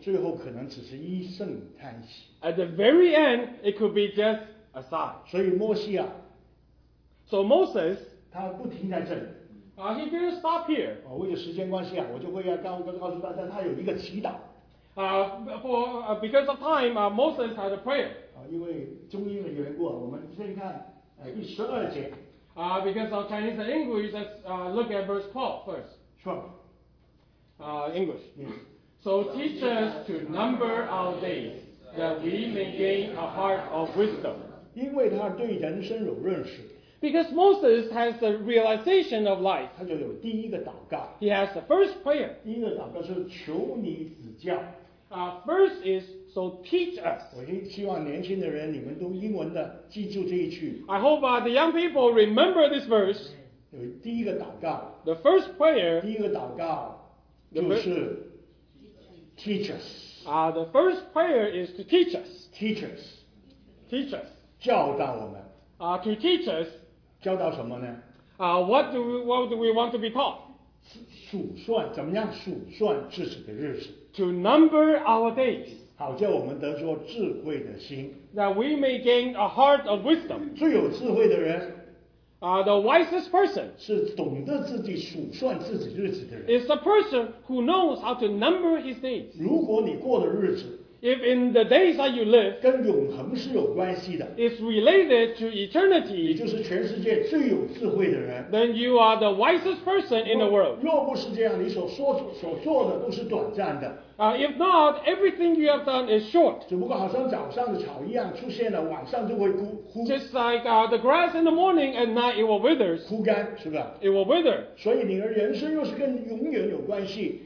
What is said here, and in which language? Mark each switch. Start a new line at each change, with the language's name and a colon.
Chinese: 最后可能只是一声叹息。
English: At the very end, it could be just a sigh.
Chinese: 所以摩西啊。
English: So Moses,
Chinese: 他不停在这里。
English: He didn't stop here.
Chinese: 为了时间关系啊，我就会要告诉大家，他有一个祈祷。
English: Because of time, Moses had a prayer.
Chinese: 因为中英的缘故，我们先看第十二节。
English: Because of Chinese and English, let's look at verse 12 first. Sure. English. Yes. So teach us to number our days, that we may gain a heart of wisdom.
Chinese: 因为他对人生有认识。
English: Because Moses has the realization of life.
Chinese: 他就有第一个祷告。
English: He has the first prayer.
Chinese: 第一个祷告是求你指教。
English: First is So teach us.
Chinese: 我希望年轻的人你们都英文的记住这一句。
English: I hope the young people remember this verse.
Chinese: 有第一个祷告。
English: The first prayer.
Chinese: 第一个祷告就是
English: teach us. The first prayer is to teach us. Teach us. Teach us.
Chinese: 教导我们。
English: To teach us.
Chinese: 教导什么呢？
English: What do we want to be taught?
Chinese: 数算怎么样数算自己的日子。
English: To number our days.
Chinese: 好叫我们得着智慧的心。
English: That we may gain a heart of wisdom.
Chinese: 最有智慧的人。
English: The wisest person.
Chinese: 是懂得自己数算自己日子的人。
English: Is the person who knows how to number his days.
Chinese: 如果你过的日子。
English: If in the days that you live.
Chinese: 跟永恒是有关系的。
English: Is related to eternity.
Chinese: 你就是全世界最有智慧的人。
English: Then you are the wisest person in the world.
Chinese: 若不是这样，你所做的都是短暂的。
English: If not, everything you have done is short.
Chinese: 只不过好像早上的草一样出现了，晚上就会枯。
English: Just like the grass in the morning and night, it will wither.
Chinese: 枯干是吧？
English: It will wither.
Chinese: 所以你的人生又是跟永远有关系。